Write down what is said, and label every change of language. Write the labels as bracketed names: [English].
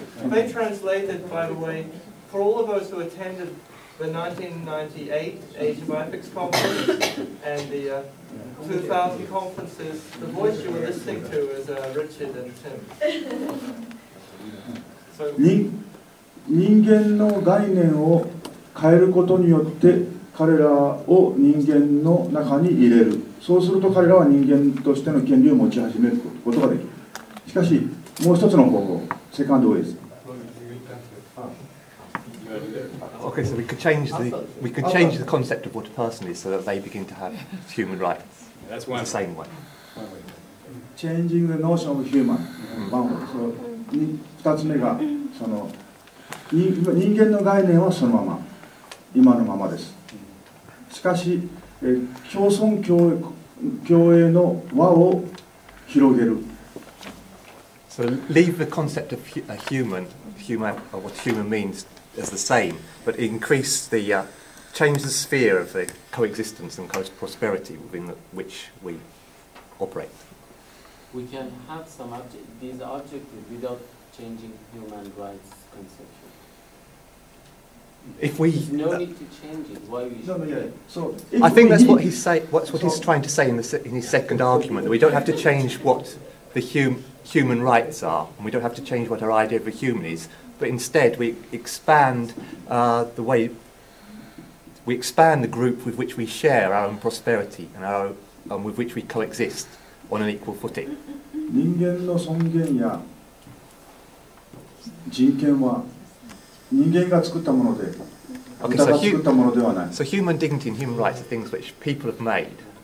[English] They translated, by the way, for all of us who attended the 1998 Asia Bioethics Conference and the 2000 conferences, the voice you were listening to is Richard and Tim. [Japanese] So, 人間の概念を変えることによって彼らを人間の中に入れる。そうすると彼らは人間としての権利を持ち始めることができる。しかし、もう一つの方法、セカンドウェイです。 [English] Okay, so we could change the concept of what a person is so that they begin to have human rights. That's one. The same one. Changing the notion of human. [Japanese] So, 2つ目が、その、人間の概念はそのまま、今のままです。しかし、共存共栄の輪を広げる。 [English] So leave the concept of a human, human, or what human means as the same, but increase the, change the sphere of the coexistence and prosperity within which we operate. We can have some these objectives without changing human rights concept. If we, there's no need to change it. Why we should? I think that's he's trying to say in his second argument. That we don't have to change what the human rights are, and we don't have to change what our idea of a human is. But instead, we expand the way we expand the group with which we share our own prosperity and our and with which we coexist on an equal footing. [Japanese] 人間の尊厳や人権は人間が作ったもので、 [English] Okay, so, so human dignity and human rights are things which people have made.